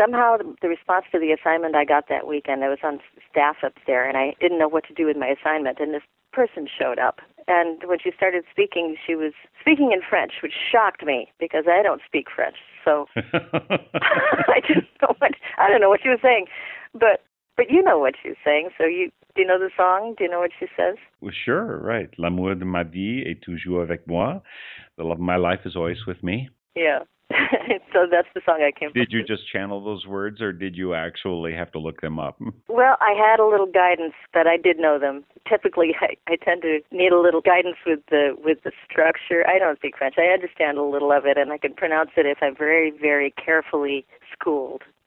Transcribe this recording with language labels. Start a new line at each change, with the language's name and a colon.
English: somehow the response to the assignment I got that weekend, I was on staff up there, and I didn't know what to do with my assignment, and this person showed up. And when she started speaking, she was speaking in French, which shocked me because I don't speak French. So I don't know what she was saying. But you know what she's saying. Do you know the song? Do you know what she says? Well, sure, right.
French: L'amour de ma vie est toujours avec moi.
English: The love of my life is always with me. Yeah. So that's the song I came from. Did you just channel those words, or did you actually have to look them up? Well, I had a little guidance that I did know them. Typically, I tend to need a little guidance with the structure. I don't speak French. I understand a little of it, and I can pronounce it if I'm very, very carefully schooled.